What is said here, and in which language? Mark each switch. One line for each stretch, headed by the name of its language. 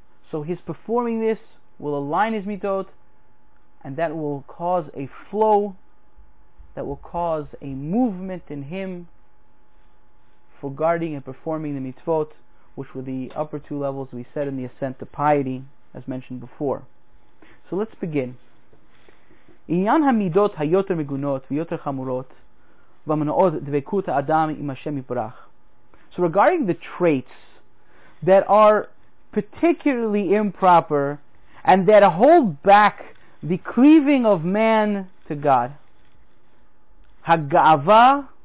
English: So his performing this will align his midot, and that will cause a flow, that will cause a movement in him for guarding and performing the mitzvot, which were the upper two levels we said in the ascent to piety, as mentioned before. So let's begin.
Hebrew: עניין המידות היותר מגונות ויותר חמורות ומנעות דבקות האדם עם השם יברך.
English: So regarding the traits that are particularly improper and that hold back the cleaving of man to God, הגאווה,